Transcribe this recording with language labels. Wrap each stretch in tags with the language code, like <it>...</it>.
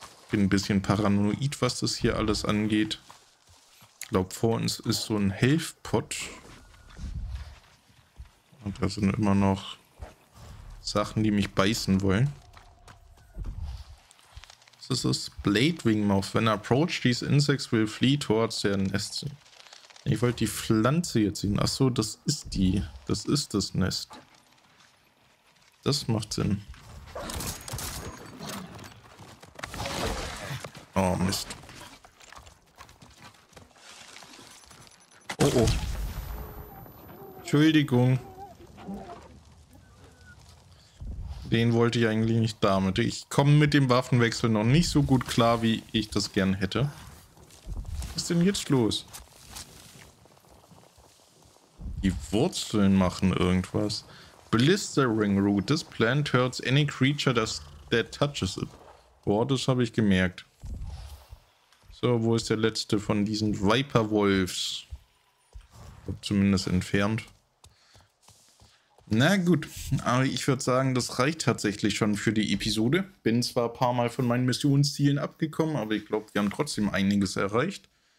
<de>Bin ein bisschen paranoid, was das hier alles angeht. Ich glaube, vor uns ist so ein Health-Pot. Und da sind immer noch Sachen, die mich beißen wollen. Das ist das Blade-Wing-Mouth.</de> <en>When approached, these insects will flee towards their nest.</en> <de>Ich wollte die Pflanze jetzt sehen. Achso, das ist die. Das ist das Nest. Das macht Sinn. Oh, Mist. Oh, oh. Entschuldigung. Den wollte ich eigentlich nicht damit. Ich komme mit dem Waffenwechsel noch nicht so gut klar, wie ich das gern hätte. Was ist denn jetzt los? Die Wurzeln machen irgendwas. Blistering Root.</de> <en>This plant hurts any creature that touches it.</en> <de>Boah, das habe ich gemerkt. So, wo ist der letzte von diesen Viper Wolves? Zumindest entfernt. Na gut, aber ich würde sagen, das reicht tatsächlich schon für die Episode. Bin zwar ein paar Mal von meinen Missionszielen abgekommen, aber ich glaube, wir haben trotzdem einiges erreicht.</de>